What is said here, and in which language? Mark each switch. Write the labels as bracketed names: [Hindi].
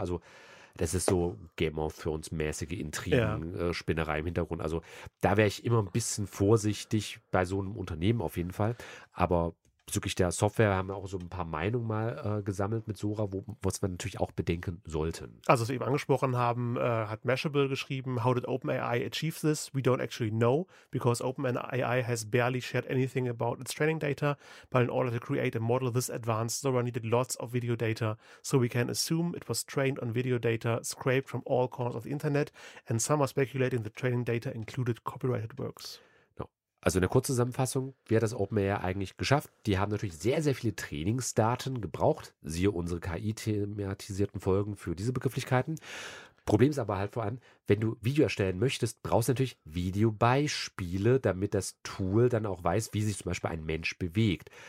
[German] Also das ist so Game of Thrones mäßige Intrigen, Spinnerei im Hintergrund. Also da wäre ich immer ein bisschen vorsichtig bei so einem Unternehmen auf jeden Fall. Aber bezüglich der Software haben wir auch so ein paar Meinungen mal gesammelt mit Sora, was wir natürlich auch bedenken sollten. Also was wir eben angesprochen haben, hat Mashable geschrieben, [English] how did OpenAI achieve this? We don't actually know, because OpenAI has barely shared anything about its training data, but in order to create a model this advanced, Sora needed lots of video data, so we can assume it was trained on video data scraped from all corners of the internet, and some are speculating the training data included copyrighted works. [German] Also in der kurzen Zusammenfassung, wie hat das OpenAI eigentlich geschafft? Die haben natürlich sehr, sehr viele Trainingsdaten gebraucht, siehe unsere KI-thematisierten Folgen für diese Begrifflichkeiten. Problem ist aber halt vor allem, wenn du Video erstellen möchtest, brauchst du natürlich Videobeispiele, damit das Tool dann auch weiß, wie sich zum Beispiel ein Mensch bewegt.